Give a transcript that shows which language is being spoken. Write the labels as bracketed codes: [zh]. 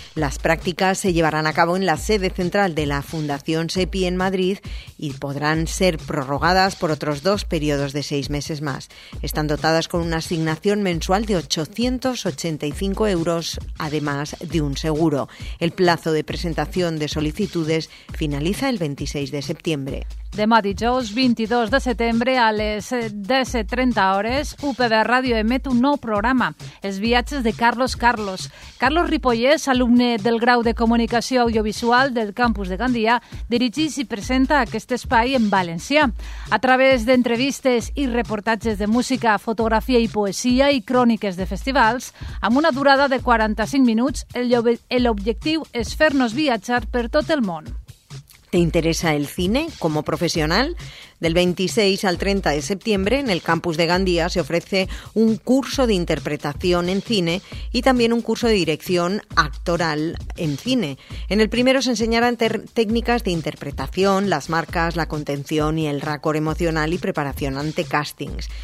[es] Las prácticas se llevarán a cabo en la sede central de la Fundación SEPI en Madrid y podrán ser prorrogadas por otros 2 periodos de 6 meses más. Están dotadas con una asignación mensual de 885 euros, además de un seguro. El plazo de presentación de solicitudes finaliza el 26 de septiembre. [ca] Demà dijous 22 de setembre a les 10:30 hores, UPB Ràdio emet un nou programa, Els viatges de Carlos Carlos. Carlos Ripollès, alumne del grau de Comunicació Audiovisual del campus de Gandia, dirigeix i presenta aquest espai en valencià. A través d'entrevistes i reportatges de música, fotografia i poesia i cròniques de festivals, amb una durada de 45 minuts, l'objectiu és fer-nos viatjar per tot el món. [es] ¿Te interesa el cine como profesional? Del 26 al 30 de septiembre, en el campus de Gandía, se ofrece un curso de interpretación en cine y también un curso de dirección actoral en cine. En el primero se enseñarán técnicas de interpretación, las marcas, la contención y el rácor emocional y preparación ante castings.